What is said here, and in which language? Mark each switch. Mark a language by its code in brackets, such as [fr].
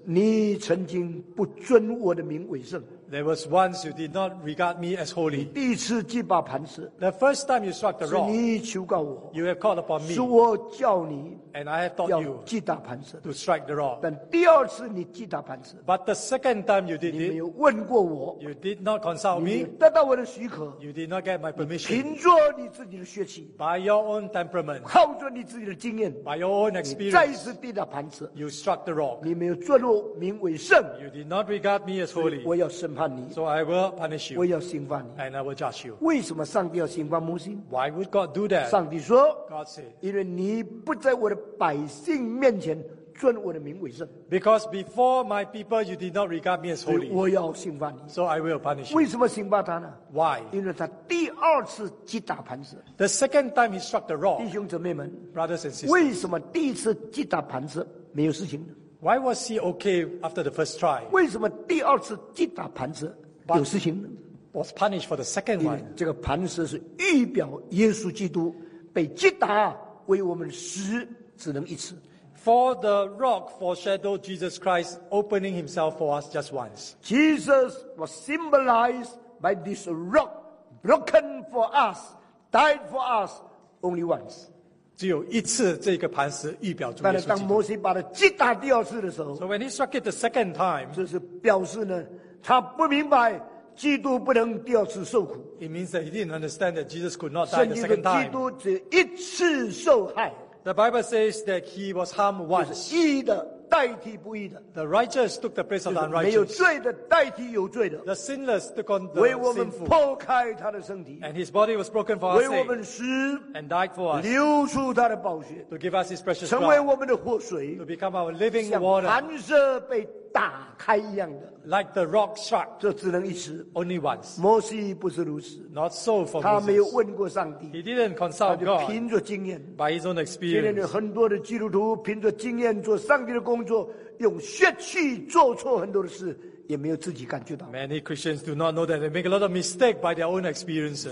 [zh] 你曾经不尊我的名为圣 [en] There was once you did not regard me as holy [zh] 你第一次击打磐石 [en] The first time you struck the rock [zh] 是你求告我 [en] You have called upon me [zh] 是我叫你 [en] And I have taught you [zh] 击打磐石 [en] To strike the rock [zh] 但第二次你击打磐石 [en] But the second time you did it [zh] 你没有问过我 [en] You did not consult me [zh] 得到我的许可 [en] You did not get my permission [zh] 凭着你自己的血气 [en] By your own temperament [zh] 靠着你自己的经验 [en] By your own experience, you struck the rock. You did not regard me as holy. [zh] 我要审判你 [en] So I will punish you. [zh] 我要刑罚你 [en] And I will judge you. [zh] 为什么上帝要刑罚摩西 [en] Why would God do that? [zh] 上帝说 [en] God said, [zh] 因为你不在我的百姓面前尊我的名为圣 [en] Because before my people, you did not regard me as holy. [zh] 我要刑罚你 [en] So I will punish you. [zh] 为什么刑罚他呢 [en] Why? [zh] 因为他第二次击打磐石 [en] The second time he struck the rock. [zh] 弟兄姊妹们 [en] Brothers and sisters. [zh] 为什么第一次击打磐石没有事情呢 [en] Why was he okay after the first try? [zh] 为什么第二次击打磐石有事情呢 [en] Was punished for the second one. [zh] 这个磐石是预表耶稣基督被击打为我们死只能一次 [en] For the rock foreshadowed Jesus Christ opening himself for us just once. Jesus was symbolized by this rock broken for us, died for us only once. [zh] 只有一次这个磐石预表主耶稣基督。但是当摩西把他击打第二次的时候 [en] So when he struck it the second time, [zh] 就是表示呢他不明白基督不能第二次受苦。 [en] It means that he didn't understand that Jesus could not die the second time. [zh] 基督只一次受害。 [en] The Bible says that he was harmed once. [zh] 就是义的代替不义的。 [en] The righteous took the place of the unrighteous. [zh] 没有罪的代替有罪的。 [en] The sinless took on the sinful. [zh] 为我们破开他的身体。 [en] And his body was broken for our sake. [zh] 为我们死。 [en] And died for us. [zh] 流出他的宝血。 [en] To give us his precious blood. [zh] 成为我们的活水。 [en] To become our living water. [zh] 像磐石被打开一样的。 [en] Like the rock struck. [zh] 这只能一次。 [en] Only once. [zh] 摩西不是如此。 [en] Not so for Moses. [zh] 他没有问过上帝。 [en] He didn't consult God. [zh] 他就凭着经验。 [en] By his own experience. [zh] 今天有很多的基督徒凭着经验做上帝的工作，用血气做错很多的事，也没有自己感觉到。 [en] Many Christians do not know that they make a lot of mistakes by their own experiences.